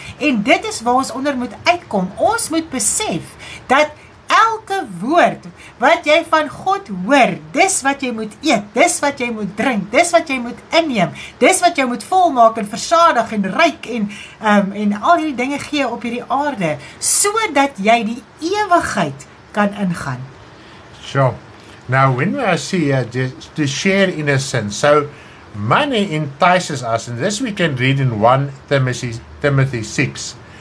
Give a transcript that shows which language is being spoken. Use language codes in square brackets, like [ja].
[af] En dit is waar ons onder moet uitkom. Ons moet besef dat elke woord wat jy van God hoor, dis wat jy moet eet, dis wat jy moet drink, dis wat jy moet inneem, dis wat jy moet volmaak en versadig en ryk en al hierdie dinge gee op hierdie aarde, sodat jy die ewigheid kan ingaan. [en] So, now when I see to share in a sense, so money entices us, and this we can read in 1 Timothy 6,